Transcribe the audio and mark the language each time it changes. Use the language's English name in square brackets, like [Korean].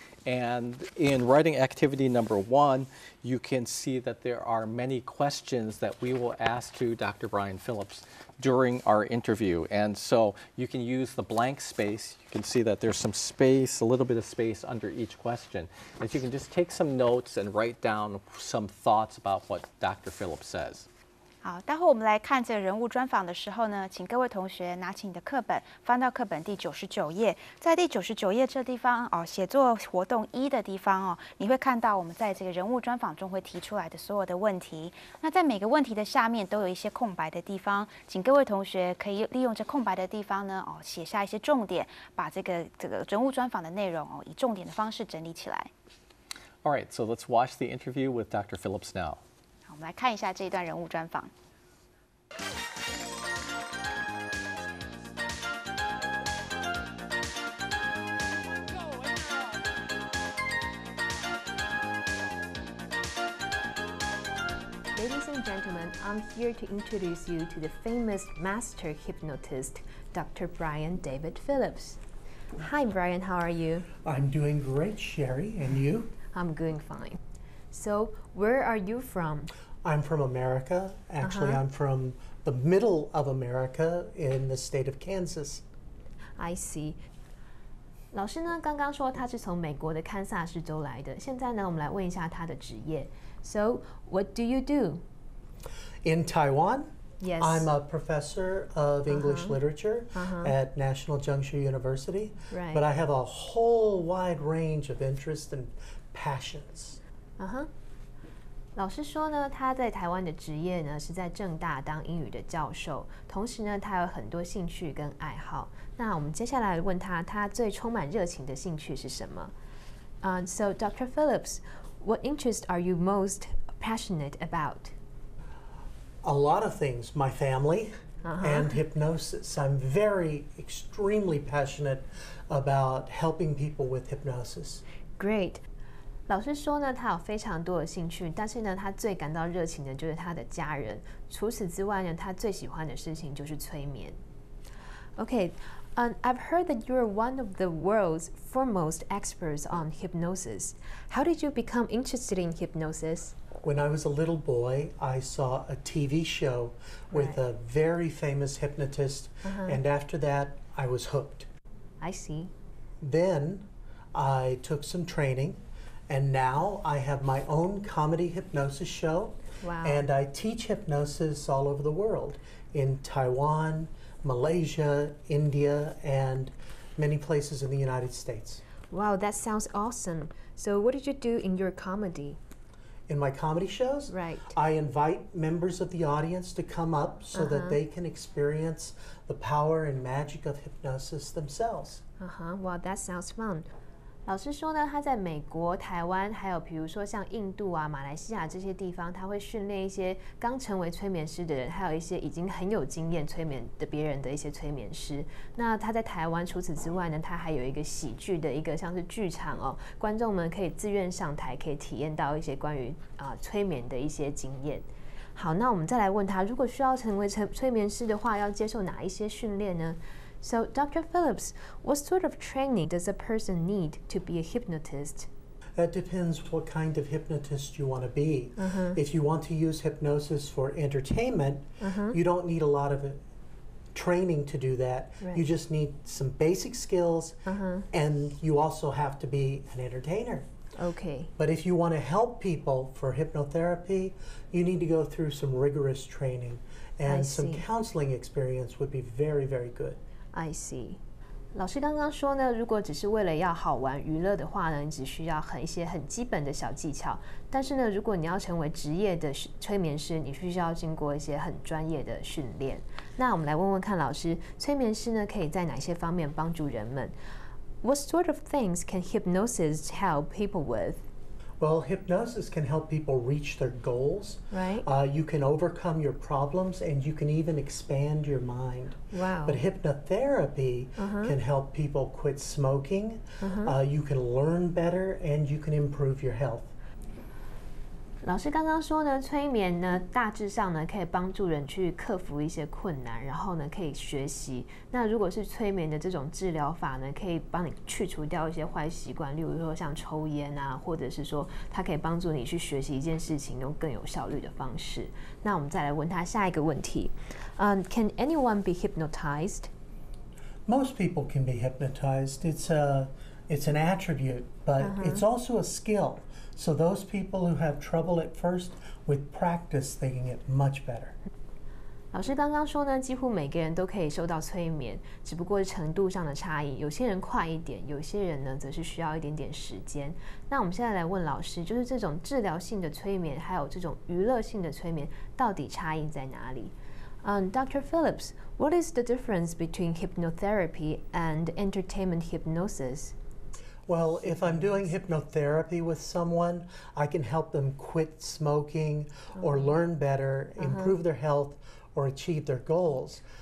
[English] And in writing activity number one, you can see that there are many questions that we will ask to Dr. Brian Phillips during our interview. And so you can use the blank space. You can see that there's some space, a little bit of space under each question. And you can just take some notes and write down some thoughts about what Dr. Phillips says. [Chinese] 好，待会我们来看这个人物专访的时候呢，请各位同学拿起你的课本，翻到课本第99页，在第99页这地方哦，写作活动一的地方哦，你会看到我们在这个人物专访中会提出来的所有的问题。那在每个问题的下面都有一些空白的地方，请各位同学可以利用这空白的地方呢，哦，写下一些重点，把这个人物专访的内容哦，以重点的方式整理起来。 [English] All right, so let's watch the interview with Dr. Phillips now. [Chinese] 我们来看一下这一段人物专访。 [English] Ladies and gentlemen, I'm here to introduce you to the famous master hypnotist, Dr. Brian David Phillips. Hi, Brian, how are you? I'm doing great, Sherry, and you? I'm doing fine. So, where are you from? I'm from America. Actually, I'm from the middle of America in the state of Kansas. I see. [Chinese] 老师呢，刚刚说他是从美国的堪萨斯州来的。现在呢，我们来问一下他的职业。 [English] So, what do you do? In Taiwan? Yes. I'm a professor of English literature at National Zhengzhou University. Right. But I have a whole wide range of interests and passions. [Chinese] 老师说呢，他在台湾的职业呢是在政大当英语的教授，同时呢他有很多兴趣跟爱好。那我们接下来问他，他最充满热情的兴趣是什么？ [English] So Dr. Phillips, what interest are you most passionate about? A lot of things, my family and hypnosis. I'm very extremely passionate about helping people with hypnosis. Great. [Chinese] 老师说呢，他有非常多的兴趣，但是呢，他最感到热情的就是他的家人。除此之外呢，他最喜欢的事情就是催眠。 [English] Okay, I've heard that you're one of the world's foremost experts on hypnosis. How did you become interested in hypnosis? When I was a little boy, I saw a TV show with a very famous hypnotist, and after that, I was hooked. I see. Then, I took some training. And now I have my own comedy hypnosis show. Wow. And I teach hypnosis all over the world, in Taiwan, Malaysia, India, and many places in the United States. Wow, that sounds awesome. So what did you do in your comedy? In my comedy shows? Right. I invite members of the audience to come up so that they can experience the power and magic of hypnosis themselves. Wow, that sounds fun. [Chinese] 老师说呢，他在美国、台湾，还有比如说像印度啊、马来西亚这些地方，他会训练一些刚成为催眠师的人，还有一些已经很有经验催眠的别人的一些催眠师。那他在台湾，除此之外呢，他还有一个喜剧的一个像是剧场哦，观众们可以自愿上台，可以体验到一些关于催眠的一些经验。好，那我们再来问他，如果需要成为催眠师的话，要接受哪一些训练呢？ [English] So, Dr. Phillips, what sort of training does a person need to be a hypnotist? That depends what kind of hypnotist you want to be. Uh-huh. If you want to use hypnosis for entertainment, uh-huh. you don't need a lot of training to do that. Right. You just need some basic skills, uh-huh. and you also have to be an entertainer. Okay. But if you want to help people for hypnotherapy, you need to go through some rigorous training, and some counseling experience would be very, very good. I see. [Chinese] 老师刚刚说呢，如果只是为了要好玩娱乐的话呢，你只需要很一些很基本的小技巧。但是呢，如果你要成为职业的催眠师，你需要经过一些很专业的训练。那我们来问问看老师，催眠师呢可以在哪些方面帮助人们 ？ [English] What sort of things can hypnosis help people with? Well, hypnosis can help people reach their goals. Right. You can overcome your problems, and you can even expand your mind. Wow. But hypnotherapy uh-huh. can help people quit smoking. Uh-huh. You can learn better, and you can improve your health. [Chinese] 老师刚刚说呢，催眠呢，大致上呢，可以帮助人去克服一些困难，然后呢，可以学习。那如果是催眠的这种治疗法呢，可以帮你去除掉一些坏习惯，例如说像抽烟啊，或者是说它可以帮助你去学习一件事情，用更有效率的方式。那我们再来问他下一个问题。 [English] Can anyone be hypnotized? Most people can be hypnotized. It's an attribute, but uh-huh. it's also a skill. So those people who have trouble at first, with practice, they can get much better. [Chinese] 老师刚刚说呢，几乎每个人都可以受到催眠，只不过程度上的差异，有些人快一点，有些人呢则是需要一点点时间。那我们现在来问老师，就是这种治疗性的催眠，还有这种娱乐性的催眠，到底差异在哪里？ [English] Dr. Phillips, what is the difference between hypnotherapy and entertainment hypnosis? Well, if I'm doing hypnotherapy with someone, I can help them quit smoking or learn better, improve uh-huh. their health, or achieve their goals.